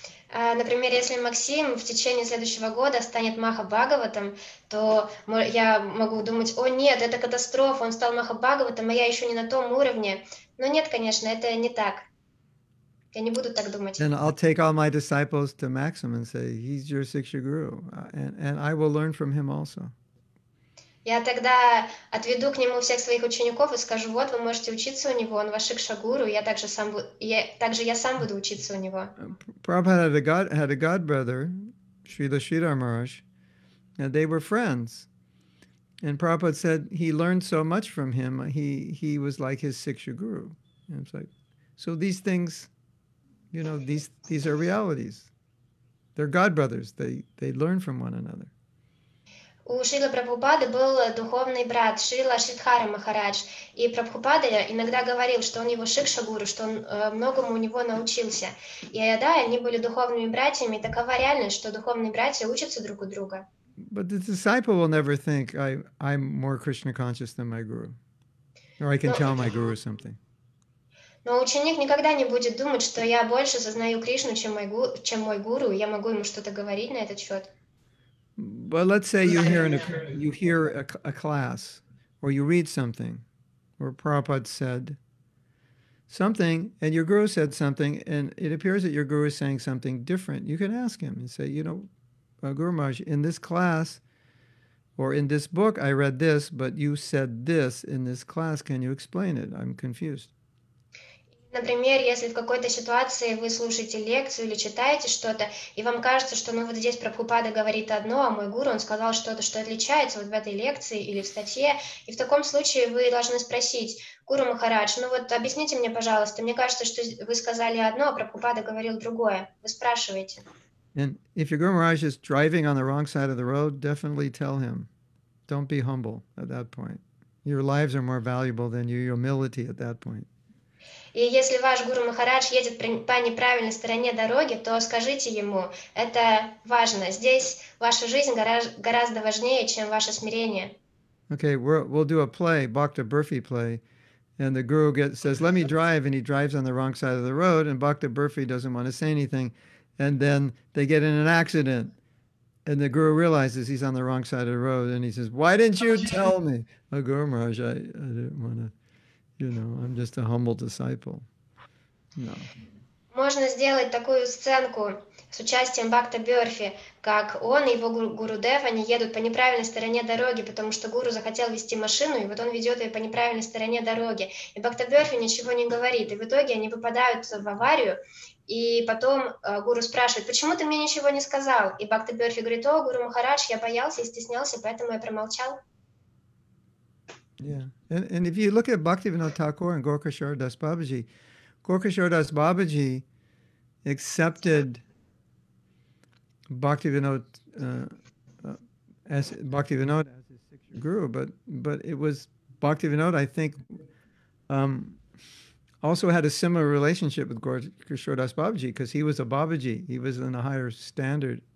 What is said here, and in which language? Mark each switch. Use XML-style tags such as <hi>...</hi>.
<ru>Например, если Максим в течение следующего года станет Махабхагаватом, то я могу думать, о нет, это катастрофа, он стал Махабхагаватом, а я еще не на том уровне. Но нет, конечно, это не так. Я не буду так думать.</ru> <en>And I'll take all my disciples to Maxim and say, he's your Siksha Guru, and I will learn from him also.</en> <ru>Я тогда отведу к нему всех своих учеников и скажу, вот, вы можете учиться у него, он ваш Шагуру, я сам буду учиться у него.</ru> <en>Prabhupada had a godbrother, Srila Sridhar Maharaj, and they were friends. And Prabhupada said he learned so much from him, he was like his Siksha Guru. And it's like, so these things, you know, these are realities. They're godbrothers, they learn from one another.</en> <ru>У Шрилы Прабхупады был духовный брат, Шрила Шридхара Махарадж. И Прабхупада иногда говорил, что он его шикша-гуру, что он многому у него научился. И да, они были духовными братьями, и такова реальность, что духовные братья учатся друг у друга.</ru> <en>But the disciple will never think, I'm more Krishna conscious than my guru. Or I can tell my guru something.</en> <ru>Но ученик никогда не будет думать, что я больше сознаю Кришну, чем мой гуру, я могу ему что-то говорить на этот счет.</ru> <en>But let's say you hear a class, or you read something, where Prabhupada said something, and your guru said something, and it appears that your guru is saying something different. You can ask him and say, you know, Guru Maharaj, in this class, or in this book, I read this, but you said this in this class. Can you explain it? I'm confused.</en> <ru>Например, если в какой-то ситуации вы слушаете лекцию или читаете что-то, и вам кажется, что ну вот здесь Прабхупада говорит одно, а мой гуру, он сказал что-то, что отличается вот в этой лекции или в статье, и в таком случае вы должны спросить, Гуру Махарадж, ну вот объясните мне, пожалуйста, мне кажется, что вы сказали одно, а Прабхупада говорил другое. Вы спрашиваете.</ru> <en>And if your Guru Maharaj is driving on the wrong side of the road, definitely tell him. Don't be humble at that point. Your lives are more valuable than your humility at that point.</en> <ru>И если ваш гуру Махарадж едет по неправильной стороне дороги, то скажите ему, это важно. Здесь ваша жизнь гораздо важнее, чем ваше смирение.</ru> <en>Okay, we'll do a play, Bhakta Burfi play, and the guru says, let me drive, and he drives on the wrong side of the road, and Bhakta Burfi doesn't want to say anything, and then they get in an accident, and the guru realizes he's on the wrong side of the road, and he says, why didn't you tell me? Oh, Guru Maharaj, I didn't want to. You know, I'm just a humble disciple. No.</en> <ru>Можно сделать такую сценку с участием Бхакта Бёрфи, как он и его гуру Дев, они едут по неправильной стороне дороги, потому что гуру захотел вести машину, и вот он ведет ее по неправильной стороне дороги. И Бхакта Бёрфи ничего не говорит, и в итоге они попадают в аварию, и потом гуру спрашивает, почему ты мне ничего не сказал? И Бхакта Бёрфи говорит, о, гуру Махарадж, я боялся и стеснялся, поэтому я промолчал.</ru> <en>Yeah, and if you look at Bhaktivinoda Thakur and Gaurakishore Das Babaji, Gaurakishore Das Babaji accepted Bhaktivinoda as his Siksha Guru, but it was Bhaktivinoda, I think, also had a similar relationship with Gaurakishore Das Babaji because he was a Babaji, he was in a higher standard</en>